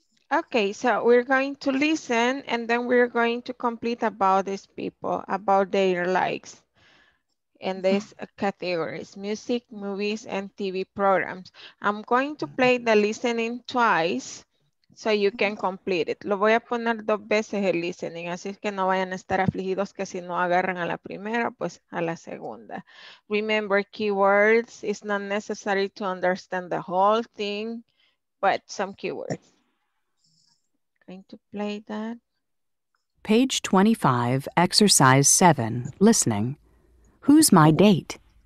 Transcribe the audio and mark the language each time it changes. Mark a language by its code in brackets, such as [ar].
[en] Okay, so we're going to listen and then we're going to complete about these people, about their likes and these categories, music, movies, and TV programs. I'm going to play the listening twice so you can complete it. [es] Lo voy a poner dos veces el listening, así es que no vayan a estar afligidos que si no agarran a la primera, pues a la segunda. [en] Remember keywords, it's not necessary to understand the whole thing, but some keywords. Going to play that. Page 25, exercise 7, listening. Who's my date?